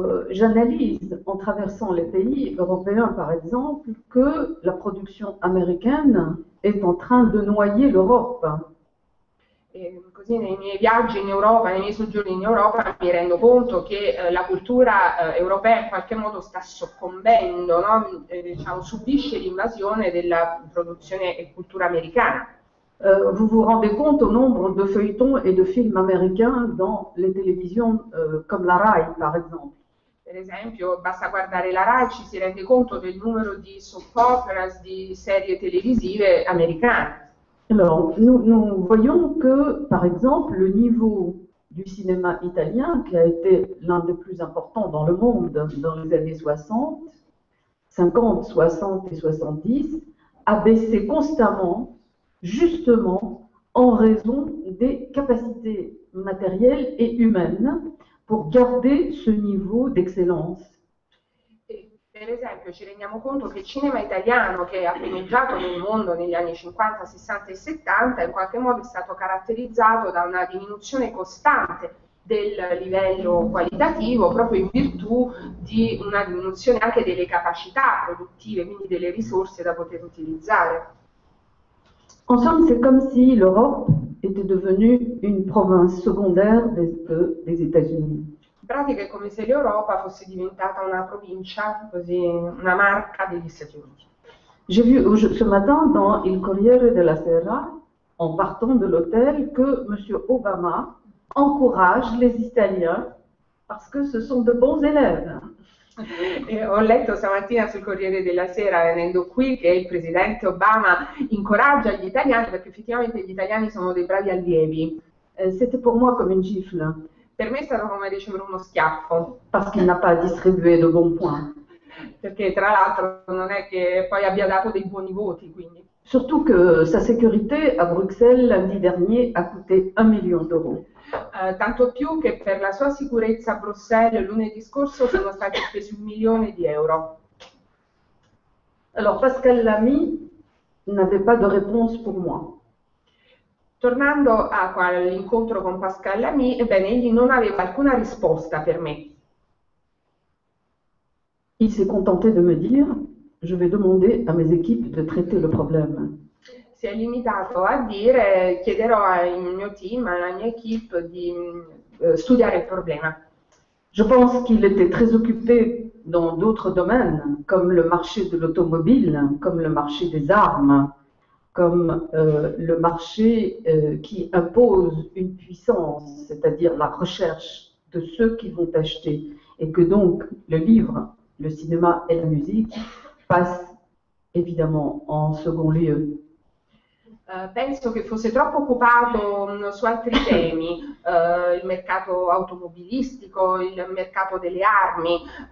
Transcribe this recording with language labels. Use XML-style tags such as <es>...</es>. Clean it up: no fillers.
<fr>J'analyse en traversant les pays européens, par exemple, que la production américaine est en train de noyer l'Europe.</fr> <it>Così nei miei viaggi in Europa, nei miei soggiorni in Europa, mi rendo conto che la cultura europea in qualche modo sta soccombendo, no? Diciamo, subisce l'invasione della produzione e cultura americana.</it> <fr>Vous vous rendez compte au nombre de feuilletons et de films américains dans les télévisions, comme la RAI, par exemple.</fr> <it>Per esempio, basta guardare la RAI, ci si rende conto del numero di soap operas, di serie televisive americane.</it> <fr>Alors, nous voyons que, par exemple, le niveau du cinéma italien, qui a été l'un des plus importants dans le monde dans les années 60, 50, 60 et 70, a baissé constamment justement en raison des capacités matérielles et humaines pour garder ce niveau d'excellence.</fr> <it>Per esempio, ci rendiamo conto che il cinema italiano, che ha primeggiato nel mondo negli anni 50, 60 e 70, in qualche modo è stato caratterizzato da una diminuzione costante del livello qualitativo, proprio in virtù di una diminuzione anche delle capacità produttive, quindi delle risorse da poter utilizzare.</it> <fr>En somme, c'est comme si l'Europe était devenue une province secondaire des États-Unis.</fr> <it>In pratica è come se l'Europa fosse diventata una provincia, così una marca degli Stati Uniti.</it> <fr>J'ai vu ce matin dans Il Corriere della Sera, en partant de l'hôtel, que Monsieur Obama encourage les Italiens parce que ce sont de bons élèves.</fr> <it>Ho letto stamattina sul Corriere della Sera, venendo qui, che il presidente Obama incoraggia gli italiani, perché effettivamente gli italiani sono dei bravi allievi.</it> <fr>C'était pour moi comme une gifle.</fr> <it>Per me è stato come ricevere uno schiaffo.</it> <fr>Parce qu'il n'a pas distribué de bons points.</fr> <it>Perché tra l'altro non è che poi abbia dato dei buoni voti, quindi.</it> <fr>Surtout que sa sécurité à Bruxelles lundi dernier a coûté 1 million d'euros.</fr> <it>Tanto più che per la sua sicurezza a Bruxelles lunedì scorso sono stati spesi 1 milione di euro.</it> <fr>Alors, Pascal Lamy n'avait pas de réponse pour moi.</fr> <it>Tornando all'incontro con Pascal Lamy, ebbene, egli non aveva alcuna risposta per me.</it> <fr>Il s'est contenté de me dire, je vais demander à mes équipes de traiter le problème.</fr> <it>Si è limitato a dire, chiederò al mio team, alla mia equipe, di studiare il problema.</it> <fr>Je pense qu'il était très occupé dans d'autres domaines, comme le marché de l'automobile, comme le marché des armes, comme le marché qui impose une puissance, c'est-à-dire la recherche de ceux qui vont acheter, et que donc le livre, le cinéma et la musique passent évidemment en second lieu.</fr> <it>Penso che fosse troppo occupato su altri temi, il mercato automobilistico, il mercato delle armi,</it>